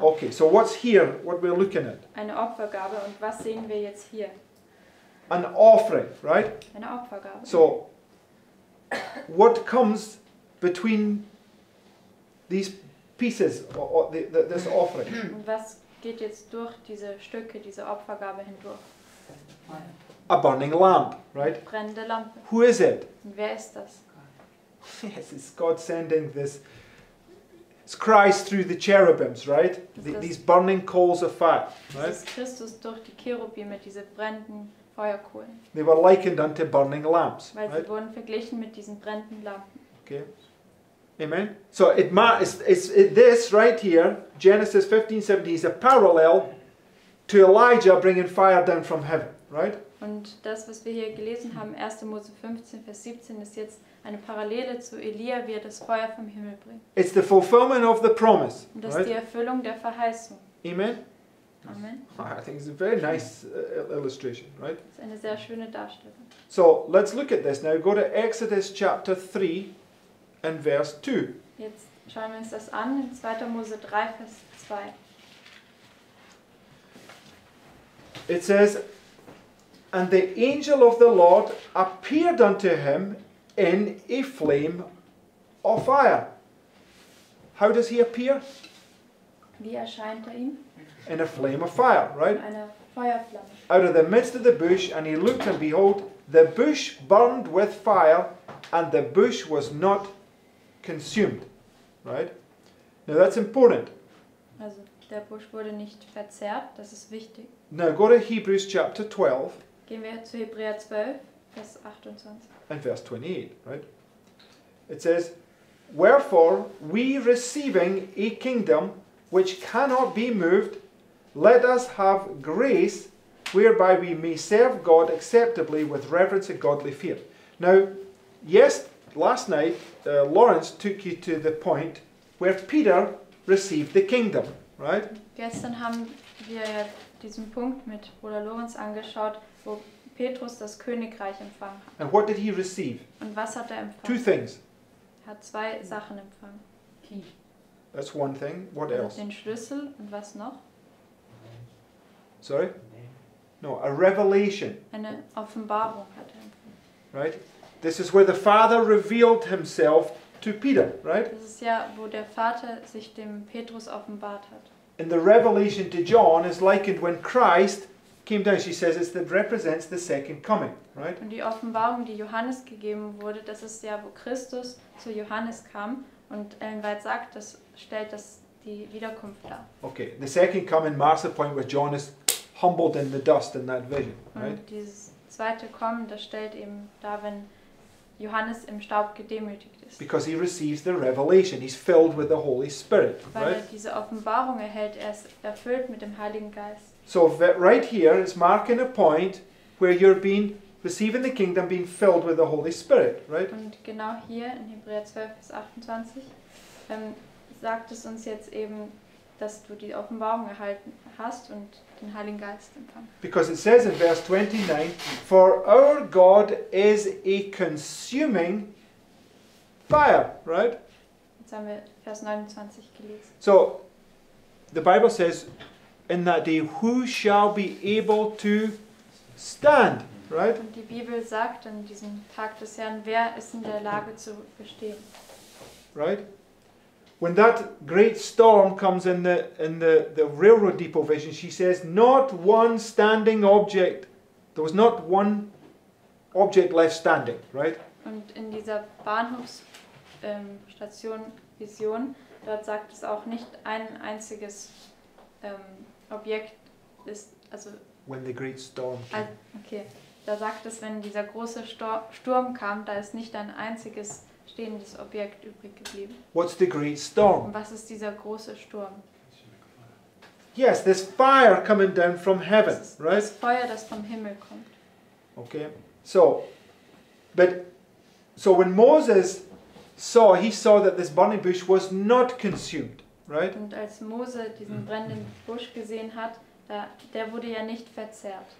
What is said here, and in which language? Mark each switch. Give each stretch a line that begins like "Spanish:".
English: Okay. So what's here? What we're looking at?
German: Eine Opfergabe. Und was sehen wir jetzt hier?
English: An offering, right?
German: Eine Opfergabe.
English: So, what comes between these pieces or this offering?
German: Und was geht jetzt durch diese Stücke, diese Opfergabe hindurch?
English: A burning lamp, right?
German: Brennende Lampe.
English: Who is it?
German: Und wer ist das?
English: Yes, it's God sending this. It's Christ through the cherubims, right? These burning coals of fire, right?
German: Das ist Christus durch die Cherubim mit diese brennenden Feuerkohlen.
English: They were likened unto burning lamps.
German: Weil sie wurden verglichen mit diesen brennenden Lampen.
English: Okay. Amen. So it's this right here, Genesis 15, 17, is a parallel to Elijah bringing fire down from heaven, right?
German: Und das, was wir hier gelesen haben, 1. Mose 15, Vers 17, ist jetzt eine Parallele zu Elia, wie er das Feuer vom Himmel bringt.
English: It's the fulfillment of the promise.
German: Und das ist die Erfüllung der Verheißung.
English: Amen. Amen. I think it's a very nice illustration, right?
German: Es ist eine sehr schöne Darstellung.
English: So, let's look at this now. Go to Exodus chapter 3 and verse 2.
German: Jetzt schauen wir uns das an, in 2. Mose 3, Vers 2.
English: It says, and the angel of the Lord appeared unto him in a flame of fire. How does he appear?
German: Wie erscheint er ihm?
English: In a flame of fire, right?
German: Eine Feuerflamme.
English: Out of the midst of the bush, and he looked, and behold, the bush burned with fire, and the bush was not consumed, right? Now that's important.
German: Also, der Busch wurde nicht verzehrt, das ist wichtig.
English: Now go to Hebrews chapter 12.
German: Gehen wir zu Hebräer 12, Vers 28.
English: And verse 28, right? It says, wherefore, we receiving a kingdom which cannot be moved, let us have grace whereby we may serve God acceptably with reverence and godly fear. Now, yes, last night, Lawrence took you to the point where Peter received the kingdom, right?
German: Gestern haben wir diesen Punkt mit Bruder Lawrence angeschaut, wo Petrus das Königreich empfangen hat.
English: And what did he receive?
German: Und was hat er empfangen?
English: Two things.
German: Er hat zwei Sachen empfangen.
English: Key. That's one thing. What else?
German: Den Schlüssel und was noch?
English: Sorry? No, a revelation.
German: Eine Offenbarung hat er empfangen.
English: Right? This is where the Father revealed himself to Peter, right?
German: Das ist ja, wo der Vater sich dem Petrus offenbart hat.
English: And the revelation to John is likened when Christ came down. She says it represents the second coming, right?
German: Und die Offenbarung, die Johannes gegeben wurde, das ist ja, wo Christus zu Johannes kam. Und Ellen White sagt, das stellt das die Wiederkunft dar.
English: Okay, the second coming marks the point where John is humbled in the dust in that vision, right?
German: Und dieses zweite Kommen, das stellt eben dar, wenn Johannes im Staub gedemütigt ist.
English: Because he receives the revelation, he's filled with the Holy Spirit,
German: weil
English: right?
German: Weil er diese Offenbarung erhält, er ist erfüllt mit dem Heiligen Geist.
English: So right here is marking a point where you're being receiving the kingdom, being filled with the Holy Spirit, right?
German: Und genau hier in Hebräer 12, Vers 28, sagt es uns jetzt eben, dass du die Offenbarung erhalten hast und den Heiligen Geist empfangen.
English: Because it says in verse 29, for our God is a consuming fire, right?
German: Jetzt haben wir Vers 29 gelesen.
English: So, the Bible says, in that day, who shall be able to stand, right?
German: Und die Bibel sagt an diesem Tag des Herrn, wer ist in der Lage zu bestehen?
English: Right? when that great storm comes in the railroad depot vision, she says, not one standing object. There was not one object left standing, right?
German: Und in dieser Bahnhofs Station Vision, dort sagt es auch nicht ein einziges Objekt ist, also
English: when the great storm came.
German: Okay, da sagt es, wenn dieser große Sturm kam, da ist nicht ein einziges stehendes Objekt übrig geblieben.
English: What's the great storm?
German: Und was ist dieser große Sturm?
English: Yes, this fire coming down from heaven, right?
German: Das Feuer, das vom Himmel kommt.
English: Okay, so when Moses saw, he saw that this burning bush was not consumed, right?
German: Und als Mose diesen brennenden Busch gesehen hat, der wurde ja nicht verzehrt.